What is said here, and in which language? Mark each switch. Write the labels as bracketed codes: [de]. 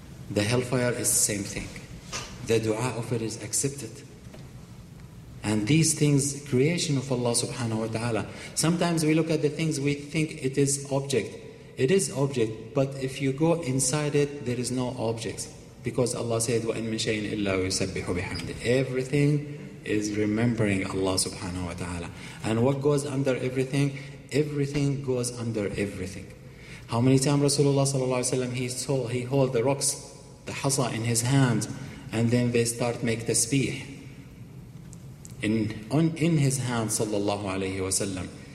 [en] The Hellfire is the same thing. The dua of it is accepted. And these things, creation of Allah, subhanahu wa ta'ala. Sometimes we look at the things, we think it is object. It is object, but if you go inside it, there is no objects. Because Allah said, [ar] وَإِن مِن شَيْءٍ إِلَّا يُسَبِّحُ بِحَمْدِهِ. [en] Everything is remembering Allah subhanahu wa ta'ala. And what goes under everything? Everything goes under everything. How many times Rasulullah sallallahu alayhi wa sallam, he hold the rocks, the hasa in his hand, and then they start make tasbih in his hand sallallahu alayhi wa sallam.